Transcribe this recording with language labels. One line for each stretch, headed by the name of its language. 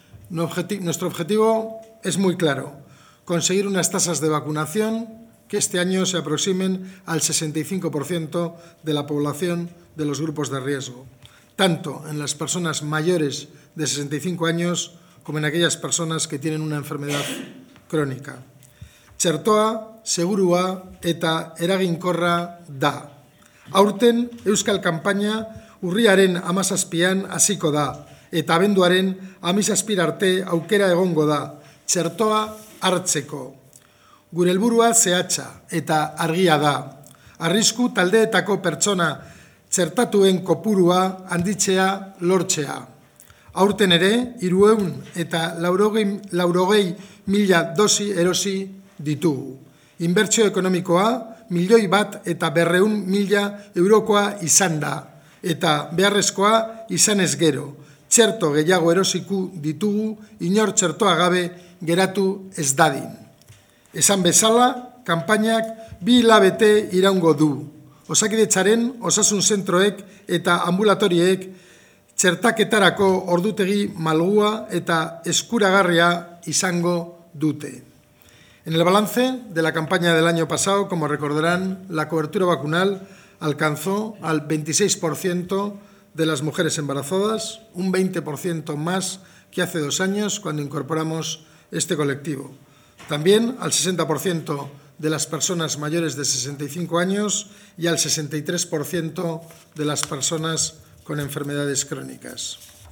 Spanish: Nuestro objetivo es muy claro: conseguir unas tasas de vacunación que este año se aproximen al 65% de la población de los grupos de riesgo, tanto en las personas mayores de 65 años como en aquellas personas que tienen una enfermedad crónica.
Basque: Txertoa, segurua eta eraginkorra da. Aurten, Euskal Kampaina urriaren 17an hasiko da, eta abenduaren 17 arte aukera egongo da, txertoa hartzeko. Gure helburua zehatza eta argia da. Arrisku taldeetako pertsona txertatuen kopurua handitzea lortzea. Aurten ere, 380.000 dosi erosi ditugu. Inbertsio ekonomikoa, 1.200.000 eurokoa izan da, eta beharrezkoa izan ez gero. Txerto gehiago erosiku ditugu, inor txertoa gabe geratu ez dadin. Esan bezala, kanpainak 2 hilabete iraungo du. Osakidetzaren osasun zentroek eta ambulatoriek txertaketarako ordutegi malgua eta eskuragarria izango dute.
Spanish: En el balance de la campaña del año pasado, como recordarán, la cobertura vacunal alcanzó al 26% de las mujeres embarazadas, un 20% más que hace 2 años cuando incorporamos este colectivo. También al 60% de las personas mayores de 65 años y al 63% de las personas con enfermedades crónicas.